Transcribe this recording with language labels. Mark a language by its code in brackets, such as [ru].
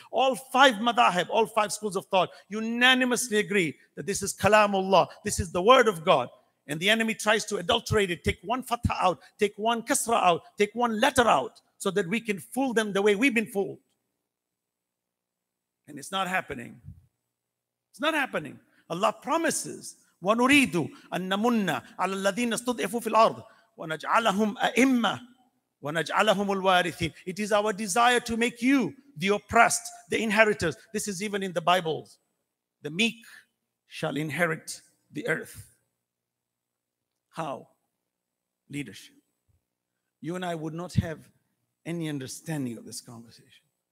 [en] All five madhahib, all five schools of thought, unanimously agree that this is Kalamullah. This is the word of God. And the enemy tries to adulterate it, take one fatha out, take one kasra out, take one letter out, so that we can fool them the way we've been fooled. And it's not happening. It's not happening. Allah promises, [ar] وَنُرِيدُ أَنَّمُنَّ عَلَى الَّذِينَ اسْتُضْعِفُوا فِي الْأَرْضِ وَنَجْعَلَهُمْ أَئِمَّةً وَنَجْعَلَهُمُ الْوَارِثِينَ. [en] It is our desire to make you the oppressed, the inheritors. This is even in the Bible. The meek shall inherit the earth. How? Leadership. You and I would not have any understanding of this conversation.